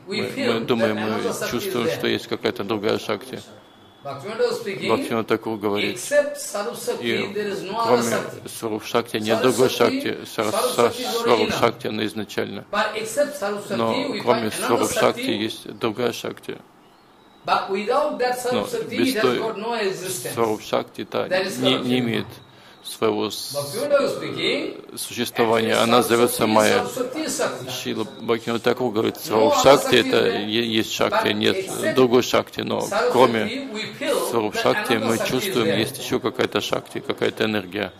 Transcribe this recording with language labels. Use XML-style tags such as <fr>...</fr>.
<ru>Мы думаем, мы чувствуем, что есть какая-то другая Шакти. Бхактивинода Тхакур говорит, и кроме Сваруп Шакти нет другой Шакти, Сваруп Шакти она изначально. Но кроме Сваруп Шакти есть другая Шакти.</ru> <en>But without that Sarup Shakti, it has got no existence.</en> <ru>Сваруп Шакти та не имеет своего существования. Она зовется Майя. Шрила Бхактивинода Тхакур говорит, Сваруп Шакти это есть Шакти, нет другой Шакти, но кроме Сваруп Шакти мы чувствуем, есть еще какая-то Шакти, какая-то энергия.</ru>